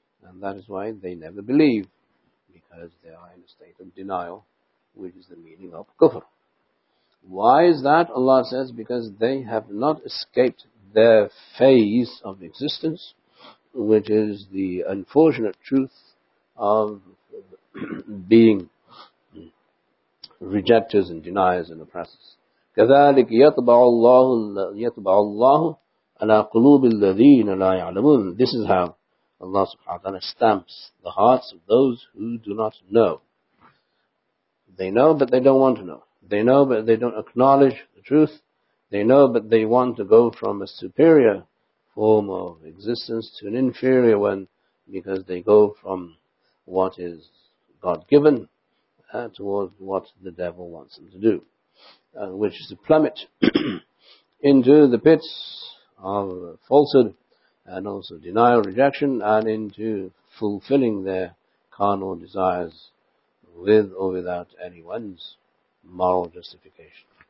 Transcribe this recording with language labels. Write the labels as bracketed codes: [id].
[en] And that is why they never believe, because they are in a state of denial, which is the meaning of kufr. Why is that? Allah says, because they have not escaped their phase of existence, which is the unfortunate truth of being rejectors and deniers and oppressors. [ar] كذلك يطبع الله على قلوب الذين لا يعلمون. [en] This is how Allah subhanahu wa ta'ala stamps the hearts of those who do not know. They know, but they don't want to know. They know, but they don't acknowledge the truth. They know, but they want to go from a superior form of existence to an inferior one, because they go from what is God-given towards what the devil wants them to do, which is to plummet into the pits of falsehood and also denial, rejection, and into fulfilling their carnal desires with or without anyone's moral justification.